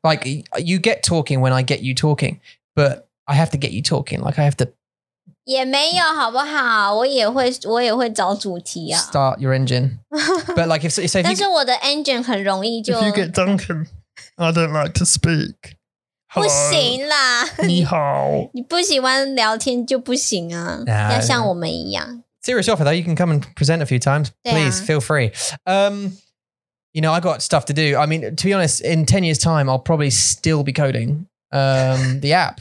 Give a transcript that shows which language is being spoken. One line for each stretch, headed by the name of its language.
English: Like, you get talking when I get you talking, but I have to get you talking. Like, I have to.
Chinese: 也没有好不好?我也会找主题啊.
English: Start your engine. But like, if you.
Chinese: 但是我的engine很容易就.
English: If you get Duncan, I don't like to speak. Hello.
Chinese: 不行啦. 你好. 你不喜欢聊天就不行啊.
English: Nah,
Chinese: 要像我们一样.
English: Serious offer though, you can come and present a few times. Please, feel free. You know, I got stuff to do. I mean, to be honest, in 10 years' time, I'll probably still be coding the app.